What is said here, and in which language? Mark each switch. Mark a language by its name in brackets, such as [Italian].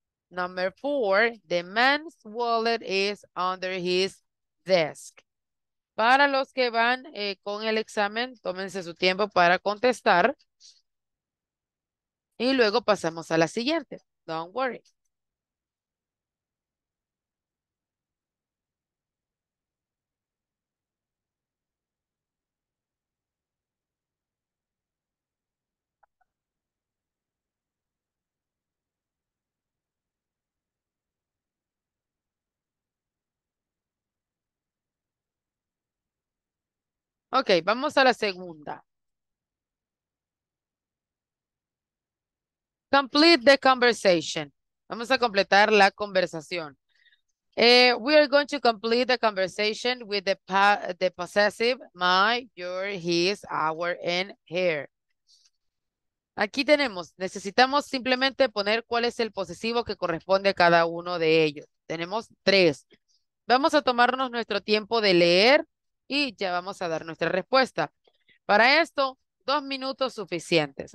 [English] Number four, the man's wallet is under his desk. [Spanish] Para los que van con el examen, tómense su tiempo para contestar. Y luego pasamos a la siguiente. [English] Don't worry. [Spanish] Ok, vamos a la segunda. [English] Complete the conversation. [Spanish] Vamos a completar la conversación. [English] We are going to complete the conversation with the possessive my, your, his, our, and her. [Spanish] Aquí tenemos, necesitamos simplemente poner cuál es el posesivo que corresponde a cada uno de ellos. Tenemos tres. Vamos a tomarnos nuestro tiempo de leer. Y ya vamos a dar nuestra respuesta. Para esto, 2 minutos suficientes.